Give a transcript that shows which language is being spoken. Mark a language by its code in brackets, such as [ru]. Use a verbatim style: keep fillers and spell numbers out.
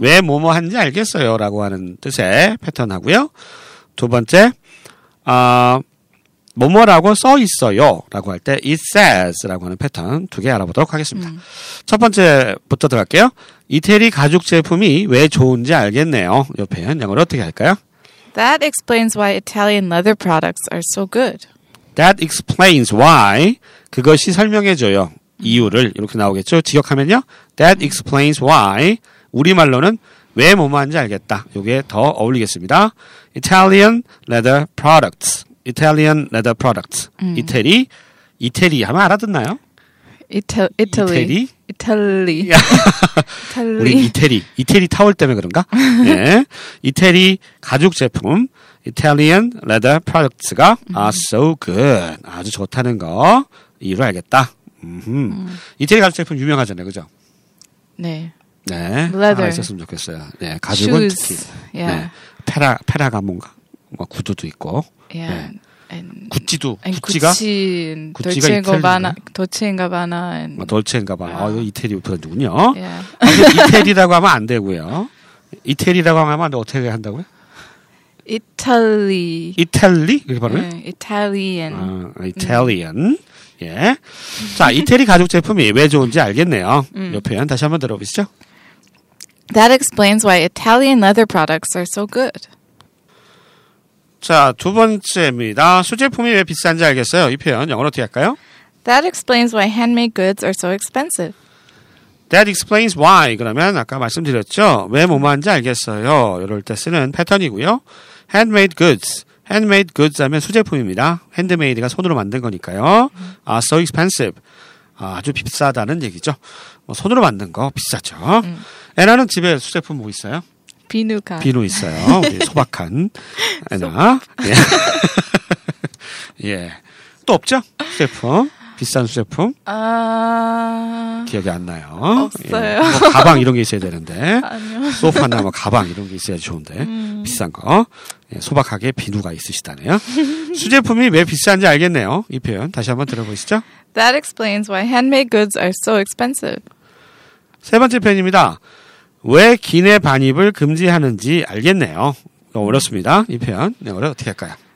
[ko] 왜 뭐뭐 하는지 알겠어요. 라고 하는 뜻의 패턴 하고요. 두 번째, 아, 어, 뭐뭐라고 써 있어요. 라고 할 때 it says 라고 하는 패턴 두 개 알아보도록 하겠습니다. 음. 첫 번째부터 들어갈게요. 이태리 가죽 제품이 왜 좋은지 알겠네요. 이 표현 영어로 어떻게 할까요? [en] That explains why Italian leather products are so good. That explains why. [ko] 그것이 설명해줘요. 이유를 이렇게 나오겠죠. 직역하면요. [en] That explains why. [ko] 우리말로는 왜 뭐뭐 하는지 알겠다. 이게 더 어울리겠습니다. [en] Italian leather products. Italian leather products. [ko] 음. 이태리. 이태리 하면 알아듣나요? 이태, 이태리. 이태리. 이태리. 우리 이태리. 이태리 타월 때문에 그런가? 네. 이태리 가죽 제품. [en] Italian leather products가 음. are so good. [ko] 아주 좋다는 거. 이유를 알겠다. 음. 이태리 가죽 제품 유명하잖아요, 그죠? 네. 네. 하나 있었으면 좋겠어요. 네, 가죽은 [en] Shoes. [ko] 특히. [en] Yeah. [ko] 네. 페라 페라가몬가 뭐 구두도 있고. [en] Yeah. [ko] 네. And, 구찌도 [en] and [ko] 구찌가 구찌, 구찌가 이태리인가? 도체인가바나. 아, 도체인가바나. 아, 이거 이태리 브랜드군요. [en] Yeah. [ko] 아, 이태리라고 하면 안 되고요. 이태리라고 하면 안 돼. 어떻게 한다고요? 이탈리. 이탈리? 이렇게 발음해? 네, 이탈리안. 아, 이탈리안. 음. 예. 자, 이태리 가죽 제품이 왜 좋은지 알겠네요. 음. 이 표현 다시 한번 들어보시죠. [en] That explains why Italian leather products are so good. [ko] 자, 두 번째입니다. 수제품이 왜 비싼지 알겠어요. 이 표현 영어로 어떻게 할까요? [en] That explains why handmade goods are so expensive. That explains why. [ko] 그러면 아까 말씀드렸죠. 왜 뭐뭐한지 알겠어요. 이럴 때 쓰는 패턴이고요. Handmade goods. Handmade goods 하면 수제품입니다. 핸드메이드가 손으로 만든 거니까요. [en] 아, so expensive. [ko] 아, 아주 비싸다는 얘기죠. 뭐 손으로 만든 거 비싸죠. 음. 애나는 집에 수제품 뭐 있어요? 비누가. 비누 있어요. 우리 소박한 애나. 예. 예. 또 없죠? 수제품. 비싼 수제품. 아... 기억이 안 나요. 없어요. 예. 뭐 가방 이런 게 있어야 되는데. 아니요. 소파나 뭐 가방 이런 게 있어야 좋은데. 음... 비싼 거. 예, 소박하게 비누가 있으시다네요. 수제품이 왜 비싼지 알겠네요. 이 표현 다시 한번 들어보시죠. [en] That explains why handmade goods are so expensive. [ko] 세 번째 표현입니다. 왜 기내 반입을 금지하는지 알겠네요. 너무 어렵습니다. 이 표현 영어로 어떻게 할까요?